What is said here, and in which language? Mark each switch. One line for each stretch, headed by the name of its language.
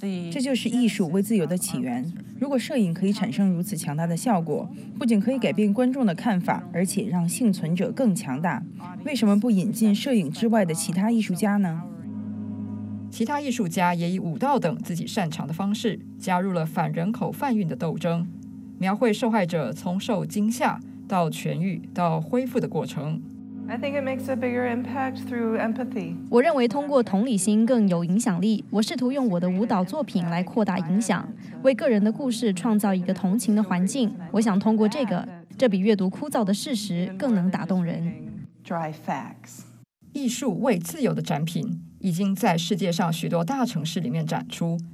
Chinese: 这就是艺术为自由的起源。如果摄影可以产生如此强大的效果，不仅可以改变观众的看法，而且让幸存者更强大，为什么不引进摄影之外的其他艺术家呢？其他艺术家也以舞蹈等自己擅长的方式加入了反人口贩运的斗争，描绘受害者从受惊吓到痊愈到恢复的过程。
English: I think it makes a bigger impact through empathy.
Chinese: 我认为通过同理心更有影响力。我试图用我的舞蹈作品来扩大影响，为个人的故事创造一个同情的环境。我想通过这个，这比阅读枯燥的事实更能打动人。
English: Dry facts.
Chinese: 艺术为自由的展品已经在世界上许多大城市里面展出。